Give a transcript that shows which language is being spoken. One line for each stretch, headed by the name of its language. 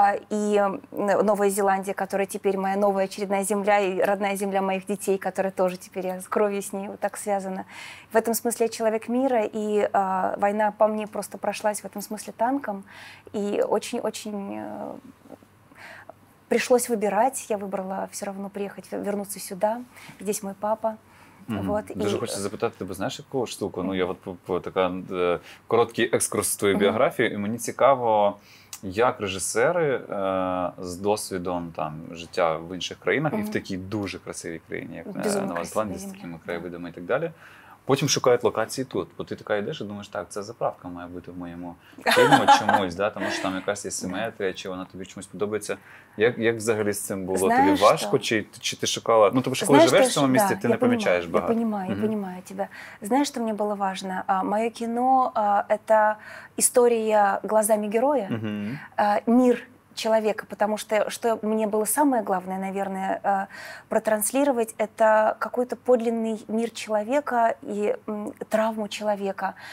Russian: И Новая Зеландия, которая теперь моя новая очередная земля, и родная земля моих детей, которая тоже теперь я с кровью с ней вот так связана. В этом смысле я человек мира, и война по мне просто прошлась в этом смысле танком. И очень-очень пришлось выбирать. Я выбрала все равно приехать, вернуться сюда. Здесь мой папа.
Ukrainian: Дуже хочеться запитати тебе, знаєш, яку штуку? Ну, я от така короткий екскурс в твою біографію, і мені цікаво, як режисери з досвідом там життя в інших країнах і в такій дуже красивій країні, як Нова Зеландія, з такими краєвидами і так далі. Потім шукають локації тут. Бо ти така йдеш і думаєш, так, ця заправка має бути в моєму фільмі чомусь, да? Тому що там якась є симетрія, чи вона тобі чомусь подобається. Як взагалі з цим було? Знаєш, тобі важко, чи ти шукала? Ну, тому що коли живеш в цьому місті, ти не помічаєш багато. Я розумію тебе. Знаєш, що мені було важливо? Моє кіно – це історія
Russian: глазами героя, мир человека, потому что мне было самое главное, наверное, протранслировать, это какой-то подлинный мир человека и травму человека.